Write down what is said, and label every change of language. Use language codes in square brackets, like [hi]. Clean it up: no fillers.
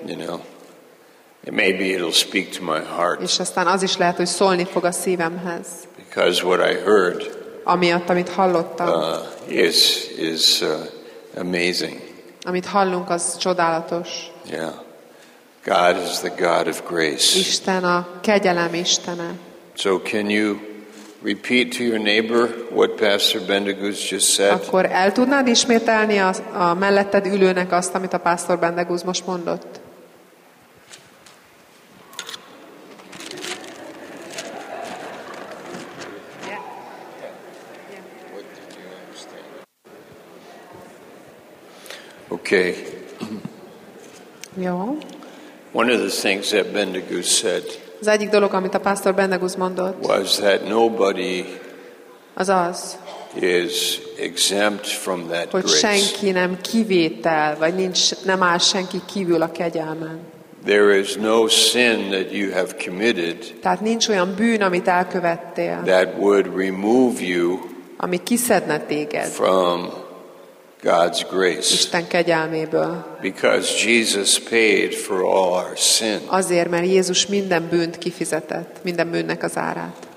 [en] You know, maybe it'll speak to my heart. [hu] És aztán az is lehet, hogy szólni fog a szívemhez. [en] Because what I heard. [hu] Amiatt, amit hallottam. [en] Is amazing. [hu] Amit hallunk, az csodálatos. [en] Yeah. God is the God of grace. [hu] Isten a kegyelem Istene. [en] So can you repeat to your neighbor what Pastor Bendegúz just said? [hu] Akkor el tudnád ismételni a melletted ülőnek azt, amit a Pastor Bendegúz most mondott? [en] Okay. [hu] Jó. [en] One of the things that Bendegúz said. [hu] Az egyik dolog, amit a Pastor Bendegúz mondott. [en] Was that nobody [hu] azaz, [en] is exempt from that [hu] hogy [en] grace. [hu] Senki nem kivétel, vagy nem áll senki kívül a kegyelmen. [en] There is no sin that you have committed. [hu] Tehát nincs olyan bűn, amit elkövettél. [en] That would remove you. [hu] Ami kiszedne téged. [en] From God's grace. [hu] Isten kegyelméből. [en] Because Jesus paid for all our sin. [hu] Azért, mert Jézus minden bűnt kifizetett, minden bűnnek az árát.